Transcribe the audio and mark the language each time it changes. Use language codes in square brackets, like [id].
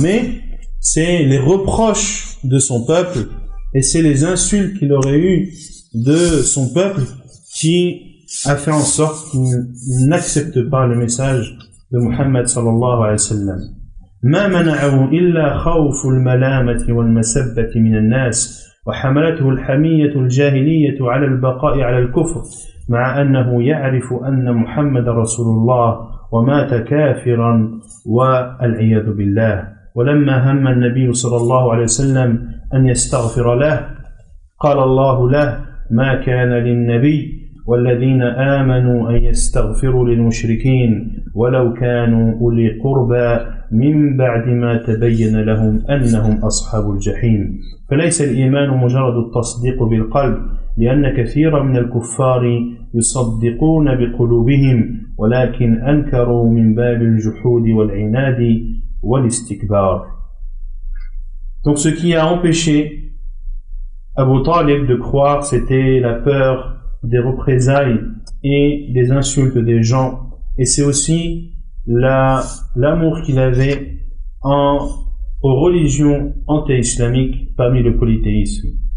[fr] Mais c'est les reproches de son peuple et c'est les insultes qu'il aurait eues de son peuple qui a fait en sorte qu'il n'accepte pas le message de Mohammed sallallahu alayhi wa sallam. [ar] « Ma mana'ahu illa khawfu al-malamati wal-masabati min al-nas wa hamalatuhu al-hamiyyatu al-jahiliyyatu ala al-baqai ala al-kufr » مع أنه يعرف أن محمد رسول الله ومات كافرا والعياذ بالله. ولما هم النبي صلى الله عليه وسلم أن يستغفر له قال الله له ما كان للنبي والذين آمنوا أن يستغفروا للمشركين ولو كانوا أولي قربى من بعد ما تبين لهم أنهم أصحاب الجحيم. فليس الإيمان مجرد التصديق بالقلب، لأن كثيرا من الكفار يصدقون بقلوبهم ولكن أنكروا من باب الجحود والعناد والاستكبار. [fr] Donc ce qui a empêché Abu Talib de croire, c'était la peur des représailles et des insultes des gens, et c'est aussi l'amour qu'il avait aux religions anti-islamiques parmi le polythéisme.